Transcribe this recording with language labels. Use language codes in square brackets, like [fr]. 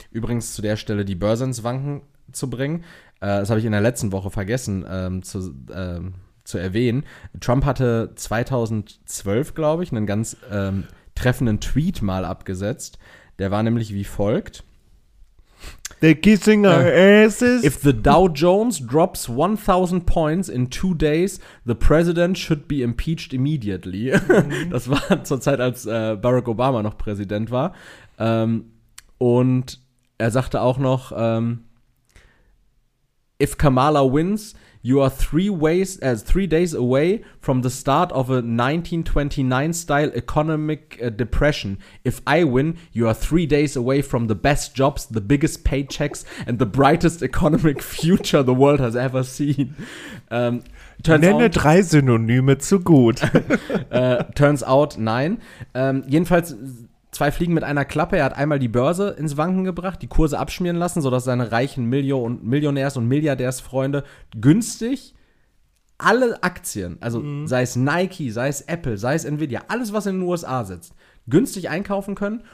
[de] Übrigens zu der Stelle die Börse ins Wanken zu bringen, das habe ich in der letzten Woche vergessen zu erwähnen. Trump hatte 2012, glaube ich, einen ganz treffenden Tweet mal abgesetzt. Der war nämlich wie folgt. [en] The Kissinger asses. If the Dow Jones drops 1,000 points in 2 days, the president should be impeached immediately. Mhm. [de] Das war zur Zeit, als Barack Obama noch Präsident war. Und er sagte auch noch, [en] if Kamala wins, you are three days away from the start of a 1929-style economic depression. If I win, you are 3 days away from the best jobs, the biggest paychecks and the brightest economic future the world has ever seen. [de] Nenne drei Synonyme zu gut. [en] turns out, [de] nein. Jedenfalls zwei Fliegen mit einer Klappe. Er hat einmal die Börse ins Wanken gebracht, die Kurse abschmieren lassen, sodass seine reichen Millionärs- und Milliardärsfreunde günstig alle Aktien, also sei es Nike, sei es Apple, sei es Nvidia, alles, was in den USA sitzt, günstig einkaufen können.